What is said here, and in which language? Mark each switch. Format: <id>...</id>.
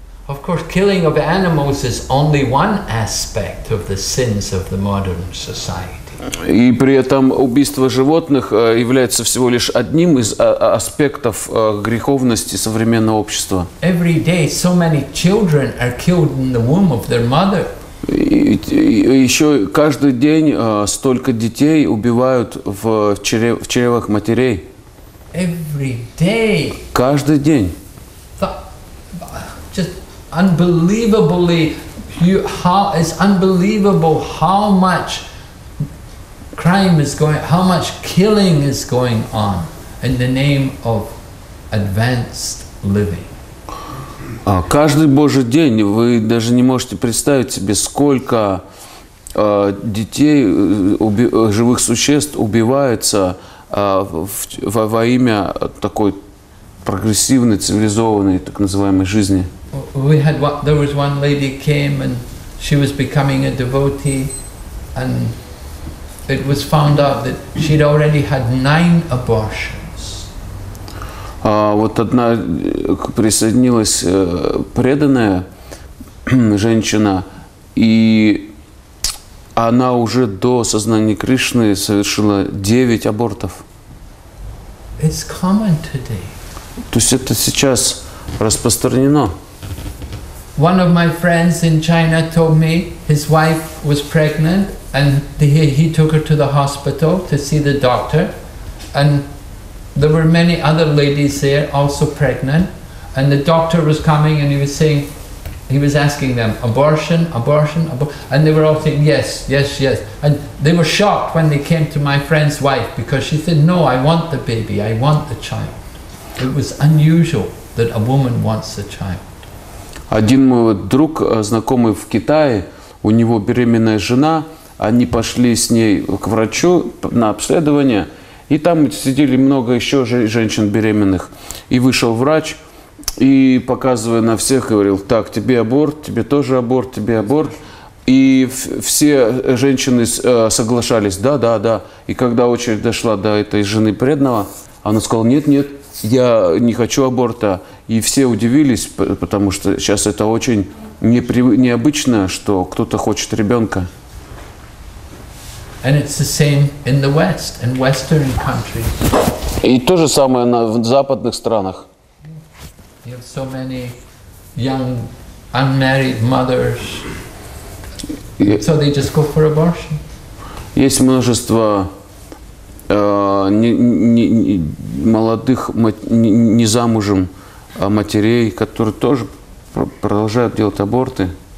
<en>Of course, killing of animals is only one aspect of the sins of the modern society.</en> <ru>И при этом убийство животных является всего лишь одним из аспектов греховности современного общества.</ru> <en>Every day, so many children are killed in the womb of their mother.</en> <ru>И еще каждый день столько детей убивают в чревах матерей.</ru> <en>Every day.</en> <ru>Каждый день.</ru> <en>Just unbelievably, it's unbelievable how much crime is going, how much killing is going on in the name of advanced living.</en> <ru>Каждый божий день вы даже не можете представить себе, сколько детей, живых существ убивается во имя такой прогрессивной, цивилизованной, так называемой жизни.</ru> <en>We had one, there was one lady came and she was becoming a devotee, and it was found out that she'd already had 9 abortions.</en> <ru>Вот одна присоединилась преданная женщина, и она уже до сознания Кришны совершила 9 абортов.</ru> <en>It's common today.</en> <ru>То есть это сейчас распространено.</ru> <en>One of my friends in China told me his wife was pregnant, and he took her to the hospital to see the doctor, and there were many other ladies there, also pregnant, and the doctor was coming and he was asking them, abortion, abortion, abortion, and they were all saying, yes, yes, yes. And they were shocked when they came to my friend's wife, because she said, no, I want the baby, I want the child. It was unusual that a woman wants a child.</en> <ru>Один мой друг, знакомый в Китае, у него беременная жена, они пошли с ней к врачу на обследование, и там сидели много еще женщин беременных. И вышел врач, и, показывая на всех, говорил: так, тебе аборт, тебе тоже аборт, тебе аборт. И все женщины соглашались: да, да, да. И когда очередь дошла до этой жены преданного, она сказала: нет, нет, я не хочу аборта. И все удивились, потому что сейчас это очень необычно, что кто-то хочет ребенка.</ru> <en>And it's the same in the West, in Western countries.</en> <ru>И то же самое в западных странах.</ru> <en>You have so many young, unmarried mothers. So they just go for abortion.</en> <ru>Есть множество молодых, не замужем матерей, которые тоже продолжают делать аборты.</ru>